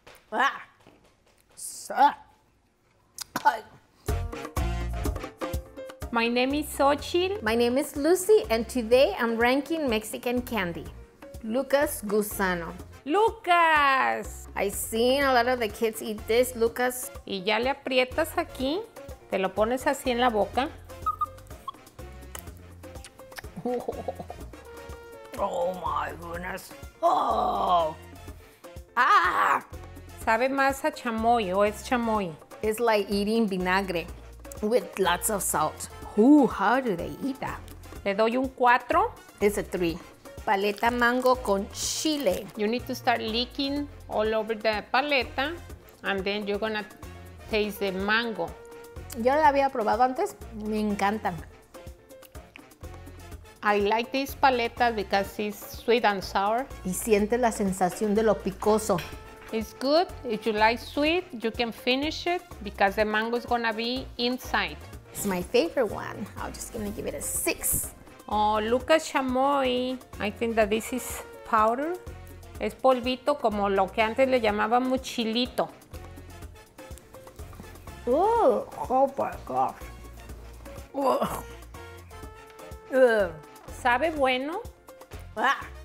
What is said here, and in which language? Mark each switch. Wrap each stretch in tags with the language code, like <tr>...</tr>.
<en>Ah. Suck. My name is Xochitl. My name is Lucy, and today I'm ranking Mexican candy. Lucas Gusano. Lucas! I've seen a lot of the kids eat this, Lucas.</en> <es>Y ya le aprietas aquí, te lo pones así en la boca.</es> <en>Oh, oh my goodness. Oh!</en> <es>Ah! Sabe más a chamoy o es chamoy?</es> <en>It's like eating vinagre with lots of salt. Ooh, how do they eat that?</en> <es>Le doy un 4.</es> <en>It's a 3. Paleta mango con chile. You need to start licking all over the paleta and then you're gonna taste the mango.</en> <es>Yo la había probado antes, me encantan.</es> <en>I like this paleta because it's sweet and sour.</en> <es>Y siente la sensación de lo picoso.</es> <en>It's good. If you like sweet, you can finish it because the mango is gonna be inside. It's my favorite one. I'm just gonna give it a 6. Oh, Lucas Chamoy, I think that this is powder.</en> <es>Es polvito, como lo que antes le llamaban muchilito.</es> <en>Oh, oh my gosh.</en> <es>Sabe bueno. Ah.</es>